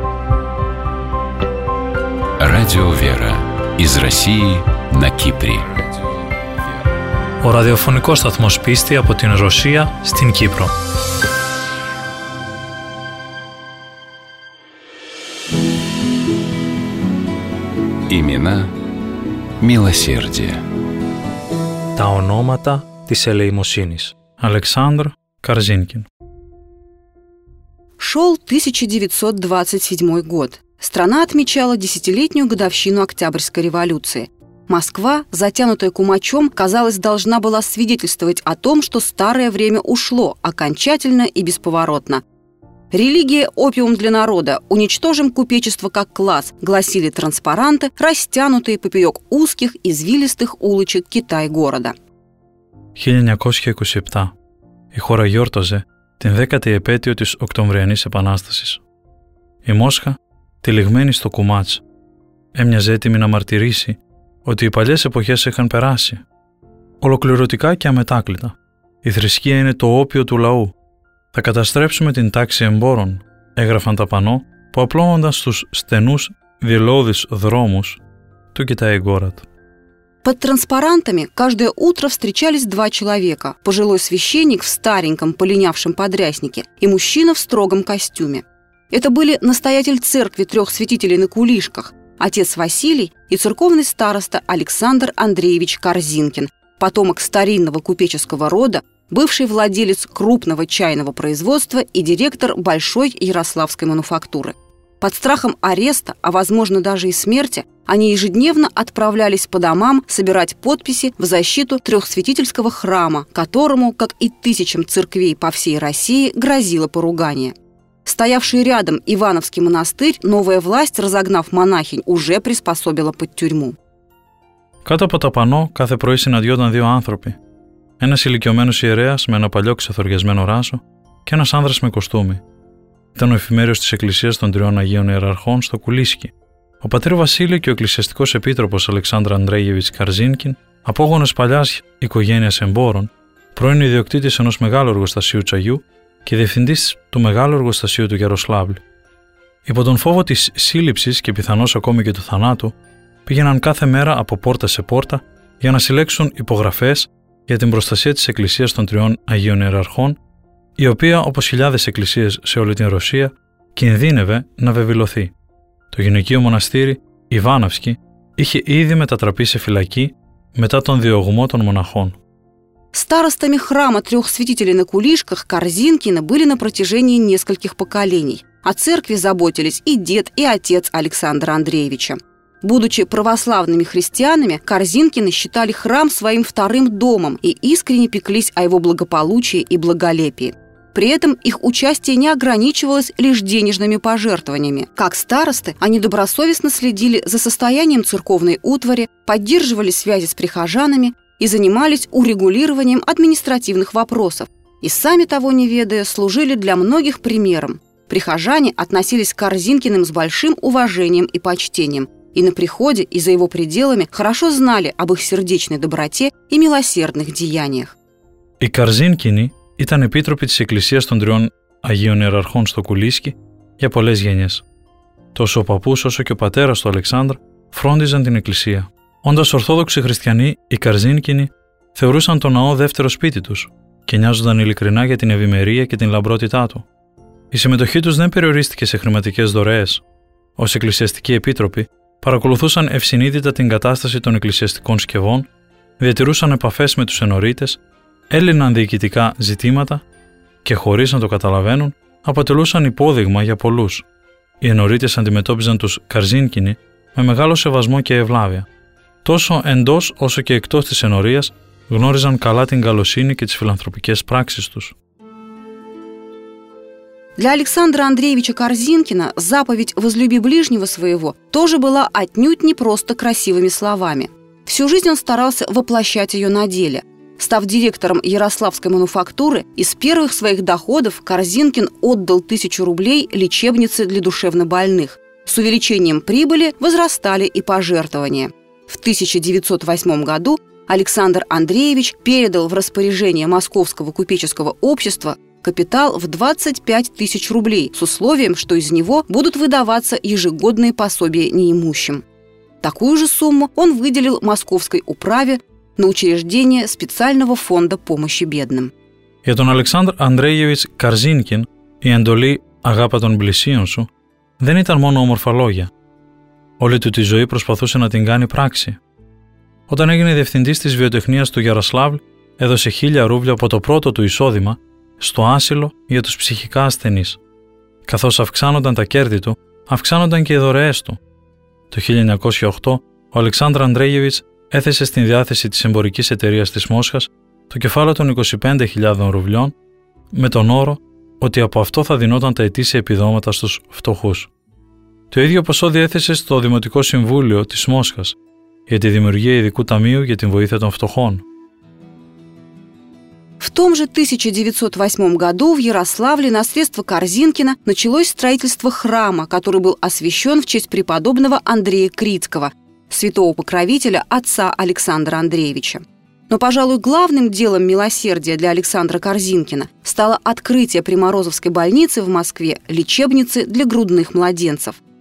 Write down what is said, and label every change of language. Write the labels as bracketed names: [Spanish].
[Russian] Радио Вера из России на Кипре. [Greek] Ο ραδιοφωνικός σταθμός πίστη από την Ρωσία στην Κύπρο. [Russian] Имена милосердия. [Greek] Τα ονόματα της ελεημοσύνης. Αλεξάνδρ Καρζίνκιν. [Russian] Шел 1927 год. Страна отмечала десятилетнюю годовщину Октябрьской революции. Москва, затянутая кумачом, казалось, должна была свидетельствовать о том, что старое время ушло окончательно и бесповоротно. «Религия – опиум для народа, уничтожим купечество как класс», гласили транспаранты, растянутые поперек узких, извилистых улочек Китай-города. [Greek] 1927. И хора γιόρταζε την 10η επέτειο της Οκτωβριανής Επανάστασης. Η Μόσχα, τυλιγμένη στο κουμάτς, έμοιαζε έτοιμη να μαρτυρήσει ότι οι παλιές εποχές είχαν περάσει. Ολοκληρωτικά και αμετάκλητα, η θρησκεία είναι το όπιο του λαού. «Θα καταστρέψουμε την τάξη εμπόρων», έγραφαν τα πανό που απλώνονταν στους στενούς διελώδεις δρόμους του Κιτάι-Γκόρατ. [Russian] Под транспарантами каждое утро встречались два человека – пожилой священник в стареньком полинявшем подряснике и мужчина в строгом костюме. Это были настоятель церкви трех святителей на кулишках – отец Василий и церковный староста Александр Андреевич Корзинкин, потомок старинного купеческого рода, бывший владелец крупного чайного производства и директор большой ярославской мануфактуры. Под страхом ареста, а возможно даже и смерти, они ежедневно отправлялись по домам собирать подписи в защиту трехсвятительского храма, которому, как и тысячам церквей по всей России, грозило поругание. Стоявший рядом Ивановский монастырь, новая власть, разогнав монахинь, уже приспособила под тюрьму. [Greek] Κάτω από τα πανό, κάθε πρωί συναντιόταν δύο άνθρωποι. Ένας ηλικιωμένος ιερέας με ένα παλιό ξεθοριασμένο ράσο και ένας άνδρας με κοστούμι. Ήταν ο εφημέριος της Εκκλησίας των Τριών Αγίων Ιεραρχών στο Κουλίσκι, Ο πατήρ Βασίλη και ο εκκλησιαστικός επίτροπος Αλεξάνδρα Ανδρέγεβιτς Καρζίνκιν, απόγονος παλιάς οικογένειας εμπόρων, πρώην ιδιοκτήτης ενός μεγάλου εργοστασίου τσαγιού και διευθυντής του μεγάλου εργοστασίου του Γιαροσλάβλη. Υπό τον φόβο της σύλληψης και πιθανώς ακόμη και του θανάτου, πήγαιναν κάθε μέρα από πόρτα σε πόρτα για να συλλέξουν υπογραφές για την προστασία της Εκκλησίας των Τριών Αγίων Ιεραρχών, η οποία, όπως χιλιάδες εκκλησίες σε όλη την Ρωσία, κινδύνευε να βεβηλωθεί. Το γυναικείο μοναστήρι, η Βάναυσκη, είχε ήδη μετατραπεί σε φυλακή μετά τον διωγμό των μοναχών. [Russian] Старостами храма трех святителей на Кулишках Корзинкины были на протяжении нескольких поколений. О церкви заботились и дед, и отец Александра Андреевича. Будучи православными христианами, Корзинкины считали храм своим вторым домом и искренне пеклись о его благополучии и благолепии. При этом их участие не ограничивалось лишь денежными пожертвованиями. Как старосты, они добросовестно следили за состоянием церковной утвари, поддерживали связи с прихожанами и занимались урегулированием административных вопросов. И сами того не ведая, служили для многих примером. Прихожане относились к Корзинкиным с большим уважением и почтением. И на приходе, и за его пределами хорошо знали об их сердечной доброте и милосердных деяниях. И Корзинкины [Greek] ήταν επίτροποι της Εκκλησίας των Τριών Αγίων Ιεραρχών στο Κουλίσκι για πολλές γενιές. Τόσο ο παππούς όσο και ο πατέρας του Αλεξάνδρ φρόντιζαν την Εκκλησία. Όντας Ορθόδοξοι Χριστιανοί, οι Καρζίνκινοι θεωρούσαν τον ναό δεύτερο σπίτι τους και νοιάζονταν ειλικρινά για την ευημερία και την λαμπρότητά του. Η συμμετοχή τους δεν περιορίστηκε σε χρηματικές δωρεές. Ως Εκκλησιαστικοί Επίτροποι παρακολουθούσαν ευσυνείδητα την κατάσταση των εκκλησιαστικών σκευών, διατηρούσαν επαφές με τους ενορίτες, έλυναν διοικητικά ζητήματα και χωρίς να το καταλαβαίνουν, αποτελούσαν υπόδειγμα για πολλούς. Οι ενορίτες αντιμετώπιζαν τους Καρζίνκινοι με μεγάλο σεβασμό και ευλάβεια. Τόσο εντός όσο και εκτός της ενορίας γνώριζαν καλά την καλοσύνη και τις φιλανθρωπικές πράξεις τους. [Russian] Для Александра Андреевича Корзинкина заповедь «Возлюби ближнего своего» тоже была отнюдь не просто красивыми словами. Всю жизнь он старался воплощать ее на деле. Став директором Ярославской мануфактуры, из первых своих доходов Корзинкин отдал 1000 рублей лечебнице для душевнобольных. С увеличением прибыли возрастали и пожертвования. В 1908 году Александр Андреевич передал в распоряжение Московского купеческого общества капитал в 25 тысяч рублей с условием, что из него будут выдаваться ежегодные пособия неимущим. Такую же сумму он выделил Московской управе на учреждение специального фонда помощи бедным. [Greek] Για τον Александр Андреевич Корзинкин η εντολή «Αγάπα των πλησίων σου» δεν ήταν μόνο όμορφα λόγια. Όλη του τη ζωή προσπαθούσε να την κάνει πράξη. Όταν έγινε διευθυντής της βιοτεχνίας του Γιαροσλάβλ, έδωσε 1000 ρούβλια από το πρώτο του εισόδημα στο άσυλο για τους ψυχικά ασθενείς. Καθώς αυξάνονταν τα κέρδη του, αυξάνονταν και οι δωρεές του. Το 1908, ο Αλεξάνδρ Ανδρέγεβιτς έθεσε στην διάθεση της εμπορικής εταιρείας της Μόσχας το κεφάλαιο των 25.000 ρουβλιών, με τον όρο ότι από αυτό θα δινόταν τα ετήσια επιδόματα στους φτωχούς. Το ίδιο ποσό διέθεσε στο Δημοτικό Συμβούλιο της Μόσχας για τη δημιουργία ειδικού ταμείου για την βοήθεια των φτωχών. [Russian] В том же 1908 году в Ярославле на средства Корзинкина началось строительство храма, который был освящен в честь преподобного Андрея Крицкого, святого покровителя отца Александра Андреевича. Но, пожалуй, главным делом милосердия для Александра Корзинкина стало открытие Приморозовской больницы в Москве, лечебницы для грудных младенцев.